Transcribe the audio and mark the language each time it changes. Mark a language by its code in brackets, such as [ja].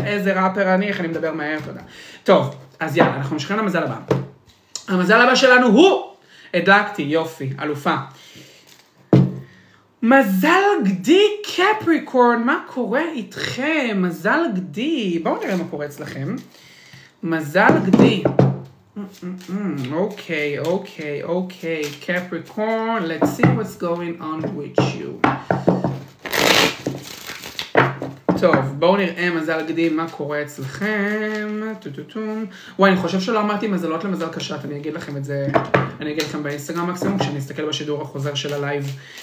[he] איזה ראפר אני, איך אני מדבר מהר. טוב, אז יאללה, אנחנו משכן למזל הבא. המזל הבא שלנו הוא, הדלקתי, יופי, אלופה. מזל גדי קפריקורן, מה קורה איתכם? מזל גדי, בואו נראה מה קורה אצלכם. מזל גדי. [en] אוקיי, אוקיי, אוקיי, קפריקורן, let's see what's going on with you. [he] טוב, בואו נראה מזל גדי, מה קורה אצלכם. וואי, אני חושב שלא אמרתי מזלות למזל קשת, אני אגיד לכם את זה, אני אגיד לכם באינסטגרם מקסימום, כשאני אסתכל בשידור החוזר של הלייב.